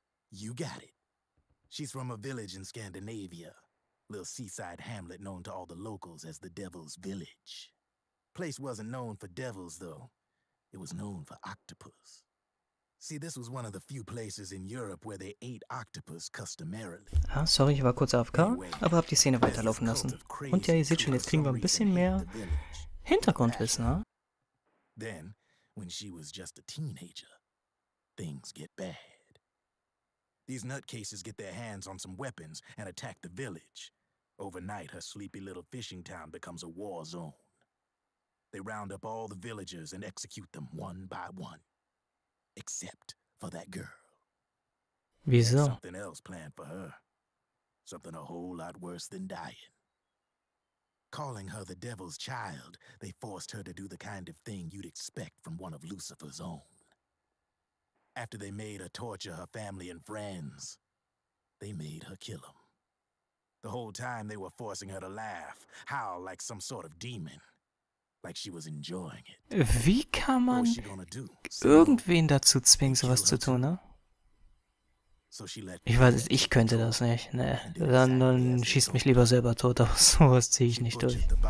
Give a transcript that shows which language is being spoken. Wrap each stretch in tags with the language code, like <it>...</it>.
<en>You got it. She's from a village in Scandinavia. Little seaside hamlet known to all the locals as the Devil's Village. Place wasn't known for devils, though. It was known for octopus. See, this was one of the few places in Europe where they ate octopus customarily.</en> <de>Ah, sorry, ich war kurz AFK, aber hab die Szene weiterlaufen lassen. Und ja, ihr seht schon, jetzt kriegen wir ein bisschen mehr Hintergrundwissen, ne?</de> <en>Then, when she was just a teenager, things get bad. These nutcases get their hands on some weapons and attack the village. Overnight, her sleepy little fishing town becomes a war zone. They round up all the villagers and execute them one by one. Except for that girl.</en> <de>Wieso?</de> <en>There's something else planned for her. Something a whole lot worse than dying. Calling her the devil's child, they forced her to do the kind of thing you'd expect from one of Lucifer's own. After they made her torture her family and friends, they made her kill them. The whole time they were forcing her to laugh, howl like some sort of demon. Like she was enjoying it.</en> <de>Wie kann man irgendwen dazu zwingen, sowas zu tun, ne? Ich weiß, ich könnte das nicht. Ne, dann schießt mich lieber selber tot, aber sowas ziehe ich nicht durch.</de>